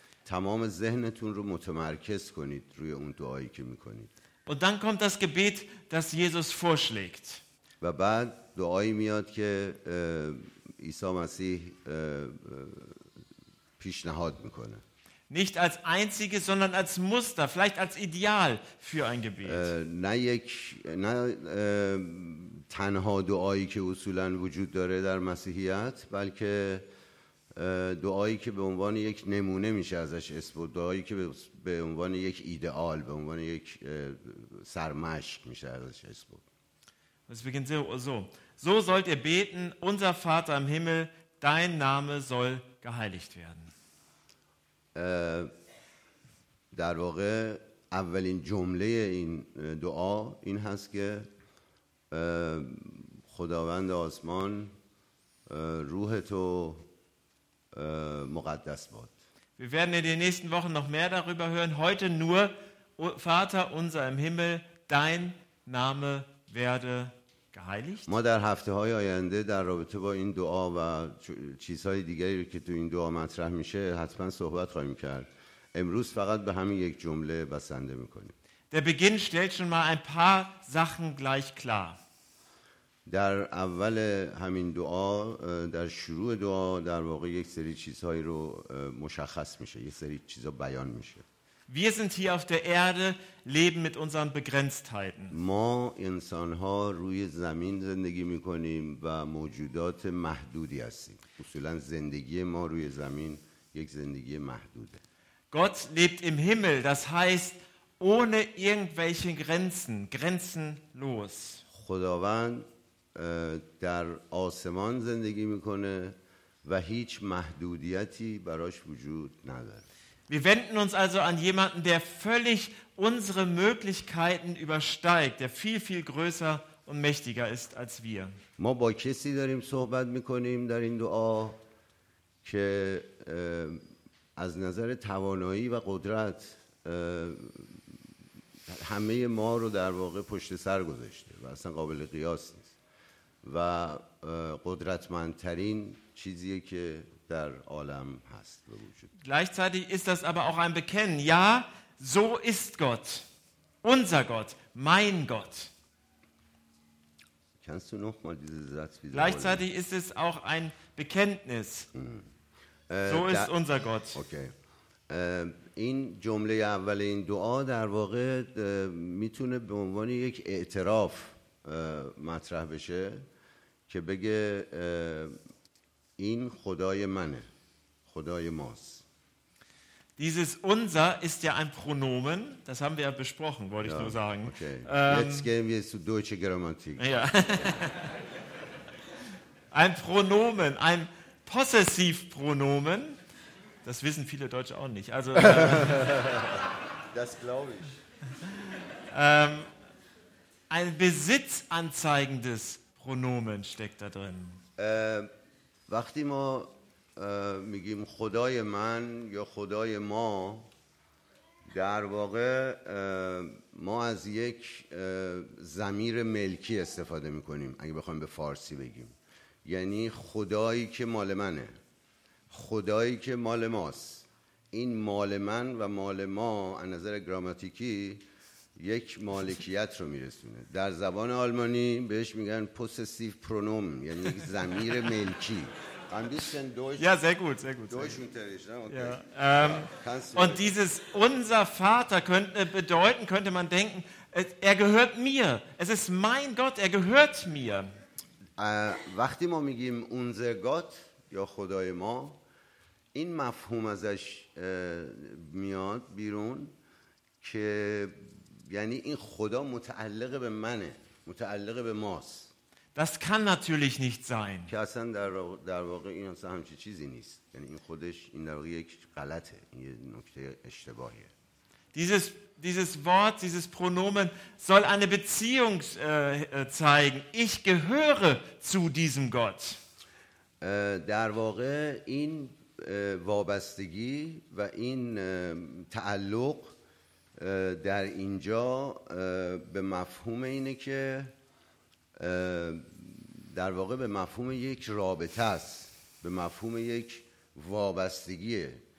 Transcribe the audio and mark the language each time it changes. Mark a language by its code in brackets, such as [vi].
[fa] تمام ذهنتون رو متمرکز کنید روی اون دعایی که میکنید. [de] Und dann kommt das Gebet, das Jesus vorschlägt. [fa] و بعد دعایی میاد که عیسی مسیح پیشنهاد میکنه. [de] Nicht als einziges, sondern als Muster, vielleicht als Ideal für ein Gebet. [fa] نه تنها دعایی که اصولا وجود داره در مسیحیت، بلکه دعایی که به عنوان یک نمونه میشه ازش اسبرد، دعایی که به عنوان یک ایدئال، به عنوان یک سرمشق میشه ازش اسبرد. [de] Es beginnt so sollt ihr beten: Unser Vater im Himmel, dein Name soll geheiligt werden. [fa] در واقع اولین جمله این دعا این هست که خداوند آسمان روح تو مقدس باد. [de] Wir werden in den nächsten Wochen noch mehr darüber hören. Heute nur: Vater unser im Himmel, dein Name werde geheiligt. [fa] ما در هفته‌های آینده در رابطه با این دعا و چیزهای دیگری که تو این دعا مطرح میشه حتما صحبت خواهیم کرد. امروز فقط به همین یک جمله بسنده میکنیم. [de] Der Beginn stellt schon mal ein paar Sachen gleich klar. [fa] در اول همین دعا، در شروع دعا، در واقع یک سری چیزهایی رو مشخص میشه، یک سری چیزا بیان میشه. [de] Wir sind hier auf der Erde, leben mit unseren Begrenztheiten. [fa] ما انسان‌ها روی زمین زندگی می‌کنیم و موجودات محدودی هستیم. اصولاً زندگی ما روی زمین یک زندگی محدوده. [de] Gott lebt im Himmel, das heißt ohne irgendwelche Grenzen, grenzenlos. [fa] خداوند در آسمان زندگی می‌کنه و هیچ محدودیتی براش وجود نداره. [de] Wir wenden uns also an jemanden, der völlig unsere Möglichkeiten übersteigt, der viel, viel größer und mächtiger ist als wir. [fa] ما با کسی داریم صحبت میکنیم در این دعا که از نظر توانایی و قدرت همه ما رو در واقع پشت سر گذاشته و اصلا قابل قیاس نیست و قدرتمندترین چیزیه که در عالم هست و وجود. [de] Gleichzeitig ist das aber auch ein Bekennen. Ja, so ist Gott. Unser Gott, mein Gott. Kannst du noch mal diesen Satz wiederholen? Gleichzeitig ist es auch ein Bekenntnis. So ist unser Gott. Okay. [fa] این جمله اول این دعا در واقع میتونه به عنوان یک اعتراف مطرح بشه که بگه این خدای منه، خدای ماست. [de] Dieses unser ist ja ein Pronomen, das haben wir ja besprochen, wollte ich nur sagen. Jetzt gehen wir zu deutsche Grammatik. Ja. Ein Pronomen, ein Possessivpronomen, das wissen viele Deutsche auch nicht. Also das glaube ich. Ein besitzanzeigendes Pronomen steckt da drin. [fa] وقتی ما میگیم خدای من یا خدای ما، در واقع ما از یک ضمیر ملکی استفاده میکنیم اگه بخوایم به فارسی بگیم، یعنی خدایی که مال منه، خدایی که مال ماست. این مال من و مال ما از نظر گراماتیکی یک مالکیت رو میرسونه. در زبان آلمانی بهش میگن پوسسیو پرونوم، یعنی یک ضمیر ملکی. [de] Ja, sehr gut, sehr gut. Deutschunterricht, ne? Okay. Und dieses unser Vater könnte bedeuten, könnte man denken, er gehört mir. Es ist mein Gott, er gehört mir. [fa] وقتی ما میگیم [de] unser Gott [fa] یا خدای ما، این مفهوم ازش میاد بیرون که یعنی این خدا متعلق به منه، متعلق به ماست. [de] Das kann natürlich nicht sein. [fa] که اصلا در واقع این اصلا همچی چیزی نیست. یعنی این خودش این در واقع یک غلطه. این یه نکته اشتباهیه. [de] Dieses Wort, dieses Pronomen soll eine Beziehung zeigen. Ich gehöre zu diesem Gott. [fa] در واقع این وابستگی و این تعلق در اینجا به مفهوم اینه که در واقع به مفهوم یک رابطه است، به مفهوم یک وابستگیه